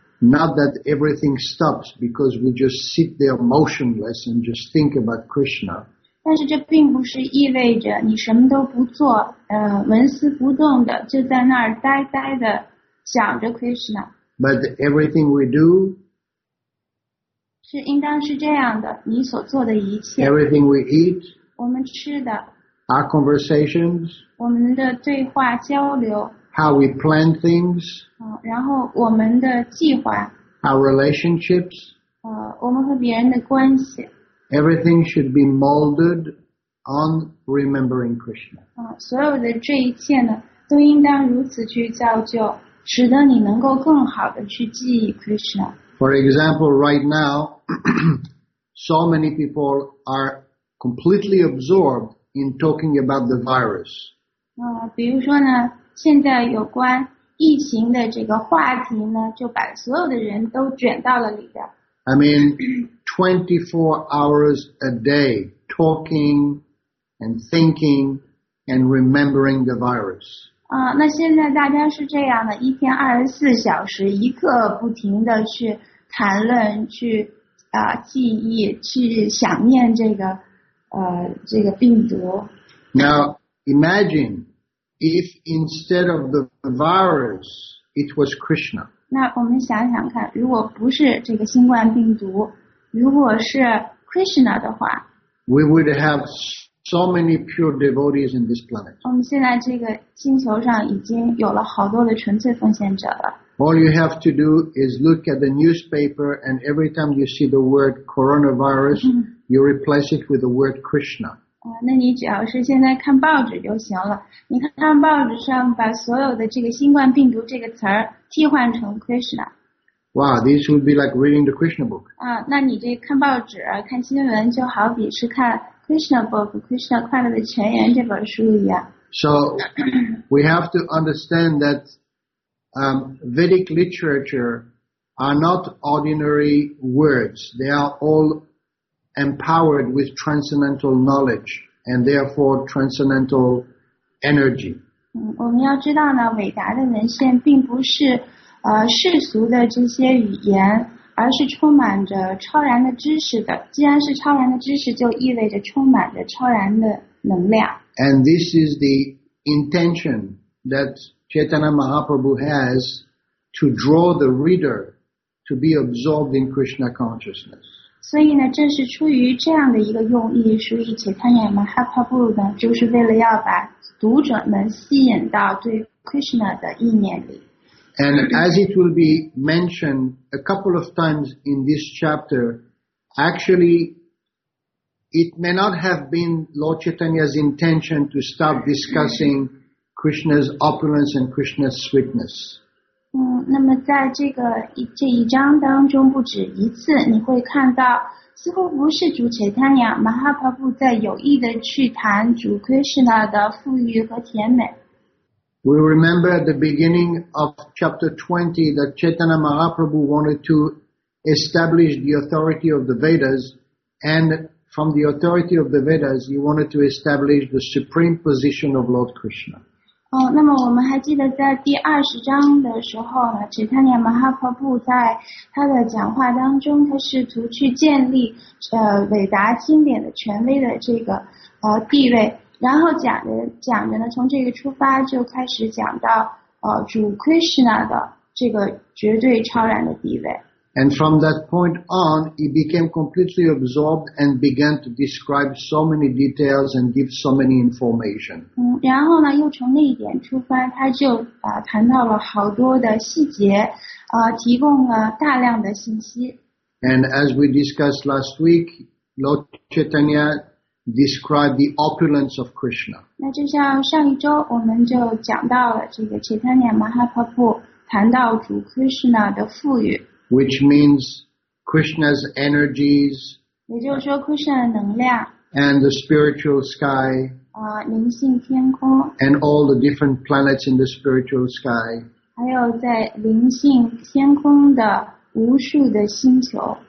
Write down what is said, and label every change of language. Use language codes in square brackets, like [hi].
[en] Not that everything stops because we just sit there motionless and just think about Krishna. [zh] 但是这并不是意味着你什么都不做，纹丝不动的就在那儿呆呆的想着 Krishna。 [en] But everything we do [zh] 是应当是这样的，你所做的一切。 [en] Everything we eat. [zh] 我们吃的。 [en] Our conversations. [zh] 我们的对话交流。 [en] How we plan things. [zh] 然后我们的计划。 [en] Our relationships. [zh] 我们和别人的关系。 [en] Everything should be molded on remembering Krishna. [zh] 所有的这一切呢，都应当如此去造就，使得你能够更好的去记忆 Krishna。 [en] For example, right now, so many people are completely absorbed in talking about the virus. [zh] 比如说呢，现在有关疫情的这个话题呢，就把所有的人都卷到了里边。 [en] I mean, 24 hours a day talking and thinking and remembering the virus. [zh] 那现在大家是这样的，一天24小时，一刻不停的去谈论，去记忆，去想念这个这个病毒。 [en] Now, imagine if instead of the virus, it was Krishna. [zh] 那我们想想看，如果不是这个新冠病毒，如果是 Krishna 的话， [en] We would have so many pure devotees in this planet. [zh] 我们现在这个星球上已经有了好多的纯粹奉献者了。 [en] All you have to do is look at the newspaper, and every time you see the word coronavirus, you replace it with the word Krishna. [zh] 那你只要是现在看报纸就行了，你看报纸上把所有的这个新冠病毒这个词儿替换成 Krishna。 [en] Wow, this would be like reading the Krishna book. [zh] 那你这看报纸看新闻就好比是看 Krishna book, Krishna 快乐的全言这本书一样。 [en] So, we have to understand that, Vedic literature are not ordinary words. They are all empowered with transcendental knowledge and therefore transcendental energy. [zh] 我们要知道呢，伟达的文献并不是世俗的这些语言，而是充满着超然的知识的。既然是超然的知识，就意味着充满着超然的能量。 [en] And this is the intention that Chaitanya Mahaprabhu has to draw the reader to be absorbed in Krishna consciousness. [zh] 所以呢，正是出于这样的一个用意，所以且参演们哈帕布鲁呢，就是为了要把读者们吸引到对 Krishna 的意念里。 [en] And as it will be mentioned a couple of times in this chapter, actually, it may not have been Lord Chaitanya's intention to start discussing Krishna's opulence and Krishna's sweetness. [zh] 那么在这一章当中不止一次你会看到似乎不是主切坦雅马哈帕布在有意的去谈主 Krishna 的富裕和甜美。 [en] We remember at the beginning of chapter 20 that Chaitanya Mahaprabhu wanted to establish the authority of the Vedas, and from the authority of the Vedas, he wanted to establish the supreme position of Lord Krishna. [zh] 那么我们还记得在第二十章的时候呢，齐檀尼马哈帕布在他的讲话当中，他试图去建立伟达经典的权威的这个地位，然后讲着呢，从这个出发就开始讲到主 Krishna 的这个绝对超然的地位。 [en] And from that point on, he became completely absorbed and began to describe so many details and give so many information. [zh] 然后呢，又从那一点出发，他就谈到了好多的细节，提供了大量的信息。 [en] And as we discussed last week, Lord Chaitanya described the opulence of Krishna. [zh] 那就像上一周我们就讲到了这个 Chaitanya Mahaprabhu 谈到主 Krishna 的富裕。 [en] Which means Krishna's energies, [zh] 也就是说 Krishna 的能量 [en] and the spiritual sky, [zh] 灵性天空 [en] and all the different planets in the spiritual sky, [zh] 还有在灵性天空的无数的星球